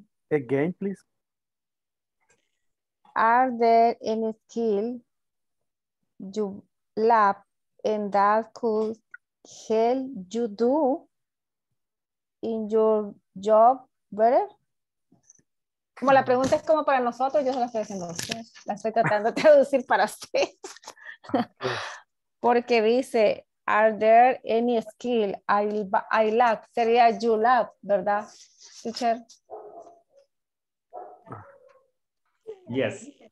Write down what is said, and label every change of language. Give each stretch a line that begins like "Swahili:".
English: Again, please. Are there any skills you lack and that could help you do in your job better?
Spanish: Como la pregunta es como para nosotros, yo se la estoy haciendo a ustedes. La estoy tratando de traducir para usted. Porque dice,
English: are there any skill I lack?
Spanish: Sería
English: you lack,
Spanish: ¿verdad, teacher?
English: Yes.